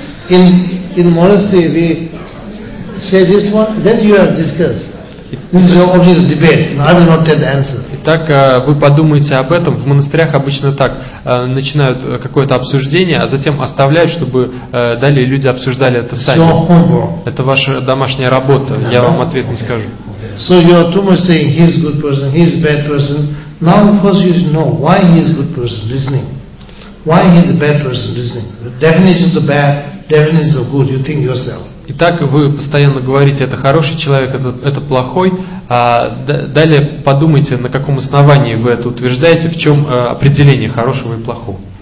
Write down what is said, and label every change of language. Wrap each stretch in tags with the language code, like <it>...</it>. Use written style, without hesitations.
<en>In modesty we say this one, then you have discussed. This is your object of debate. Now I will not tell the answer.</en> <ru>Итак, вы подумаете об этом. В монастырях обычно так начинают какое-то обсуждение, а затем оставляют, чтобы далее люди обсуждали это сами. Это ваша домашняя работа. Я вам ответ не скажу.</ru> <en>So you are too much saying he's a good person, he's a bad person. Now of course you should know why he is a good person, listening. Why he is a bad person? Listening. Definitions of bad, definitions of good. You think yourself.</en> <ru>Итак, вы постоянно говорите, это хороший человек, это плохой. Далее подумайте, на каком основании вы это утверждаете, в чем определение хорошего и плохого.</ru>